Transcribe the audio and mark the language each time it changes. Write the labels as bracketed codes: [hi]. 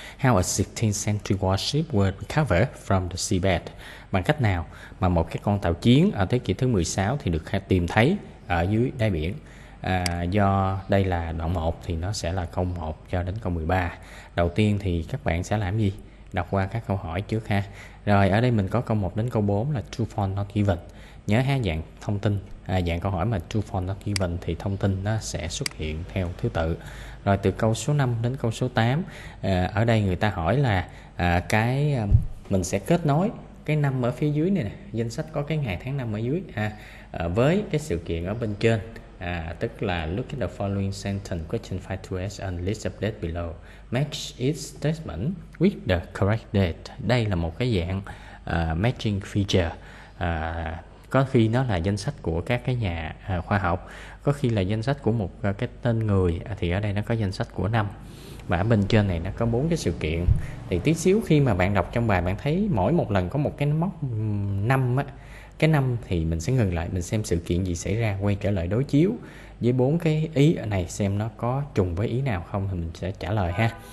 [en] How a 16th century warship would recover from the seabed? [vi] Bằng cách nào mà một cái con tàu chiến ở thế kỷ thứ 16 thì được tìm thấy ở dưới đáy biển? Do đây là đoạn 1 thì nó sẽ là câu 1 cho đến câu 13. Đầu tiên thì các bạn sẽ làm gì? Đọc qua các câu hỏi trước ha. Rồi, ở đây mình có câu 1 đến câu 4 là true for not given. Nhớ ha, dạng thông tin, dạng câu hỏi mà true for not given thì thông tin nó sẽ xuất hiện theo thứ tự. Rồi từ câu số 5 đến câu số 8, ở đây người ta hỏi là cái mình sẽ kết nối cái năm ở phía dưới này nè, danh sách có cái ngày tháng năm ở dưới ha, với cái sự kiện ở bên trên. Tức là [en] look at the following sentence, question 5 to ask and list of dates below. Match each statement with the correct date. [vi] Đây là một cái dạng matching feature. Có khi nó là danh sách của các cái nhà khoa học, có khi là danh sách của một cái tên người, thì ở đây nó có danh sách của năm. Và ở bên trên này nó có bốn cái sự kiện. Thì tí xíu khi mà bạn đọc trong bài, bạn thấy mỗi một lần có một cái mốc năm á, cái năm thì mình sẽ ngừng lại, mình xem sự kiện gì xảy ra, quay trở lại đối chiếu với bốn cái ý ở này xem nó có trùng với ý nào không thì mình sẽ trả lời ha.